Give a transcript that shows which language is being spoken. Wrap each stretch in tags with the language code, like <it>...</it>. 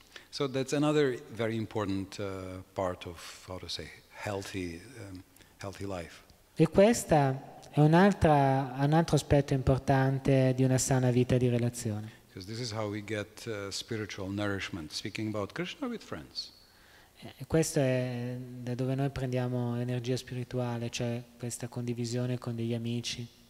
<en>So that's another very important part of how to say healthy healthy life.</en> <it>E questa è un altro aspetto importante di una sana vita di relazione.</it> <en>Because this is how we get spiritual nourishment, speaking about Krishna with friends.</en> <it>E questo è da dove noi prendiamo energia spirituale, cioè questa condivisione con degli amici.</it>